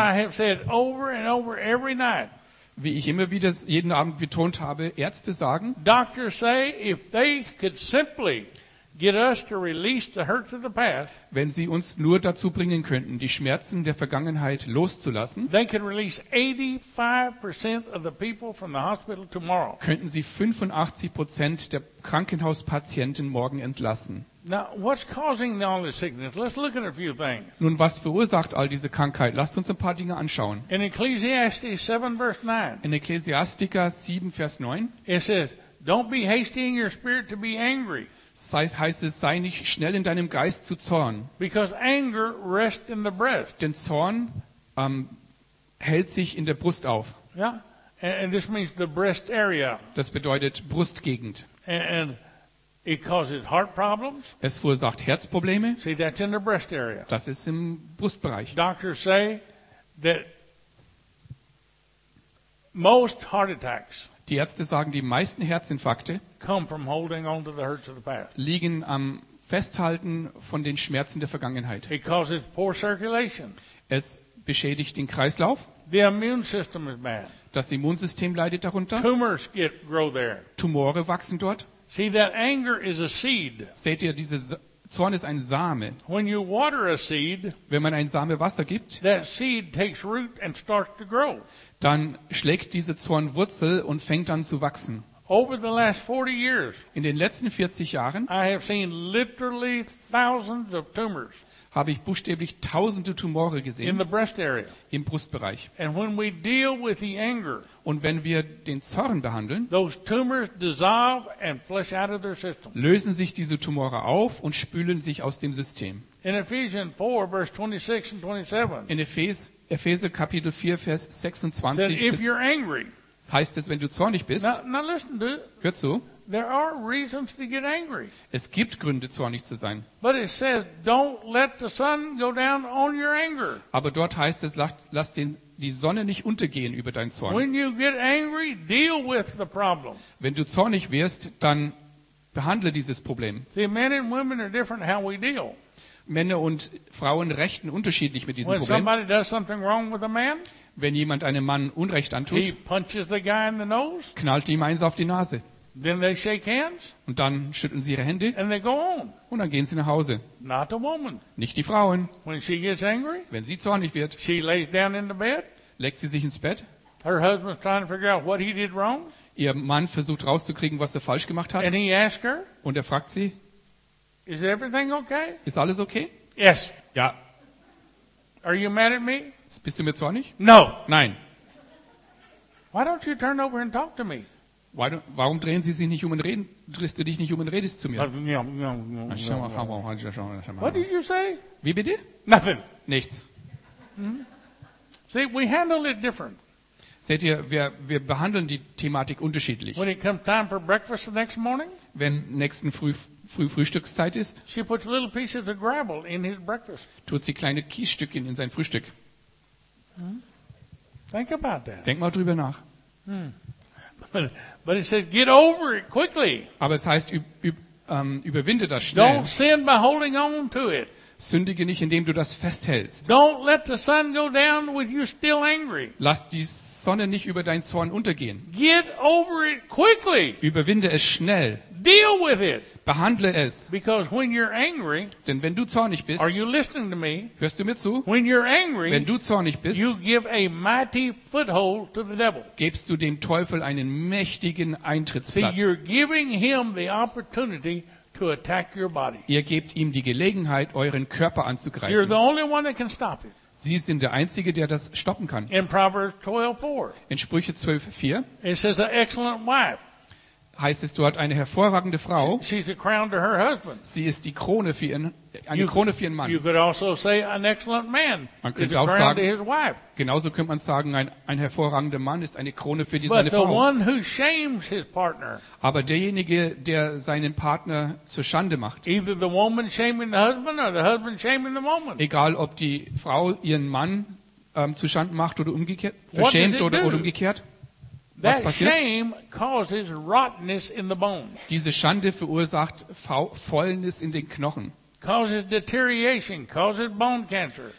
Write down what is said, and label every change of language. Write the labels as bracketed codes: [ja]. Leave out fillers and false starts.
[en] As I have said over and over every night, [de] wie ich immer wieder jeden Abend betont habe, Ärzte sagen, [en] doctors say if they could simply get us to release the hurts of the past, [de] wenn sie uns nur dazu bringen könnten, die Schmerzen der Vergangenheit loszulassen, [en] they could release 85% of the people from the hospital tomorrow. [de] Könnten sie 85% der Krankenhauspatienten morgen entlassen. [en] Now, what's causing all this sickness? Let's look at a few things. [de] Nun, was verursacht all diese Krankheit? Lasst uns ein paar Dinge anschauen. [en] In Ecclesiastes 7, verse 9. [de] In Ecclesiastica 7, Vers 9. [en] It says, "Don't be hasty in your spirit to be angry." [de] Heißt es, sei nicht schnell in deinem Geist zu zorn. [en] Because anger rests in the breast. [de] Denn Zorn hält sich in der Brust auf. [en] Yeah, and this means the breast area. [de] Das bedeutet Brustgegend. [en] And it causes heart problems. [de] Es verursacht Herzprobleme. [en] See, that's in the breast area. [de] Das ist im Brustbereich. [en] Doctors say that most heart attacks, [de] die Ärzte sagen, die meisten Herzinfarkte, [en] come from holding on to the hurts of the past, [de] liegen am Festhalten von den Schmerzen der Vergangenheit. [en] It causes poor circulation. [de] Es beschädigt den Kreislauf. [en] The immune system is bad. [de] Das Immunsystem leidet darunter. [en] Tumors grow there. [de] Tumore wachsen dort. [en] See, that anger is a seed. [de] Seht ihr, dieser Zorn ist ein Same. [en] When you water a seed, [de] wenn man einen Same Wasser gibt, [en] that seed takes root and starts to grow. [de] Dann schlägt dieser Zorn Wurzel und fängt an zu wachsen. [en] Over the last 40 years, [de] in den letzten 40 Jahren, [en] I have seen literally thousands of tumors, [de] habe ich buchstäblich tausende Tumore gesehen [en] in the breast area, [de] im Brustbereich. [en] And when we deal with the anger, [de] und wenn wir den Zorn behandeln, [en] those tumors dissolve and flush out of their system, [de] lösen sich diese Tumore auf und spülen sich aus dem System. [en] In Ephesians 4, verse 26 and 27, [de] in Epheser Kapitel 4, Vers 26, [en] if you're angry, [de] heißt es, wenn du zornig bist, [en] now listen to it, [de] hör zu, [en] there are reasons to get angry. [de] Es gibt Gründe, zornig zu sein. [en] But it says, don't let the sun go down on your anger. [de] Aber dort heißt es, lass die Sonne nicht untergehen über deinen Zorn. [en] When you get angry, deal with the problem. [de] Wenn du zornig wirst, dann behandle dieses Problem. [en] See, men and women are different how we deal. [de] Männer und Frauen rechten unterschiedlich mit diesem [en] when [de] Problem. [en] Somebody does something wrong with a man, [de] wenn jemand einem Mann Unrecht antut, [en] he punches the guy in the nose, [de] knallt ihm eins auf die Nase. [en] Then they shake hands, [de] und dann schütteln sie ihre Hände [en] and they go on, [de] und dann gehen sie nach Hause. [en] Not the woman. [de] Nicht die Frauen. [en] When she gets angry, [de] wenn sie zornig wird, [en] she lays down in the bed, [de] legt sie sich ins Bett. [en] Her husband's trying to figure out what he did wrong, [de] ihr Mann versucht rauszukriegen, was er falsch gemacht hat. [en] And he asks her, [de] und er fragt sie, [en] is everything okay? [de] Ist alles okay? [en] Yes. [de] Ja. [en] Are you mad at me? [de] Bist du mir zornig? [en] No. [de] Nein. [en] Why don't you turn over and talk to me? [de] Warum drehen Sie sich nicht um und reden? Drehst du dich nicht um und redest zu mir? [en] What did you say? [de] Wie bitte? [en] Nothing. [de] Nichts. [en] See, we handle it different. [de] Seht ihr, wir behandeln die Thematik unterschiedlich. [en] When it comes time for breakfast the next morning? [de] Wenn nächsten früh Frühstückszeit ist? [en] She puts little pieces of gravel in his breakfast. [de] Tut sie kleine Kiesstückchen in sein Frühstück. [en] Think about that. [de] Denk mal drüber nach. [en] But it says, get over it quickly. [de] Aber es heißt, überwinde das schnell. [en] Don't sin by holding on to it. [de] Sündige nicht, indem du das festhältst. [en] Don't let the sun go down with you still angry. [de] Lass die Sonne nicht über deinen Zorn untergehen. [en] Get over it quickly. [de] Überwinde es schnell. [en] Deal with it. [de] Behandle es. [en] Because when you're angry, [de] denn wenn du zornig bist, [en] are you listening to me? [de] Hörst du mir zu? [en] When you're angry, [de] wenn du zornig bist, [en] you give a mighty foothold to the devil. [de] Gibst du dem Teufel einen mächtigen Eintrittsplatz. [en] See, you're giving him the opportunity to attack your body. [de] Ihr gebt ihm die Gelegenheit, euren Körper anzugreifen. [en] You're the only one that can stop it. [de] Sie sind der Einzige, der das stoppen kann. [en] In Proverbs 12:4. [de] In Sprüche 12:4. [en] It says an excellent wife. [de] Heißt es, du hast eine hervorragende Frau. [en] She's the crown to her husband. [de] Sie ist die Krone für Krone für ihren Mann. [en] You could also say an excellent man. [de] Man könnte auch sagen, [en] to his wife. [de] Genauso könnte man sagen, ein hervorragender Mann ist eine Krone für die [en] But [de] seine [en] the [de] Frau. [en] One who shames his partner. [de] Aber derjenige, der seinen Partner zur Schande macht. [en] Either the woman shaming the husband or the husband shaming the woman. [de] Egal, ob die Frau ihren Mann zu Schanden macht oder umgekehrt, verschämt oder umgekehrt. [en] That shame causes rottenness in the bones. [de] Diese Schande verursacht Fäulnis in den Knochen. [en] Causes deterioration, causes bone cancer.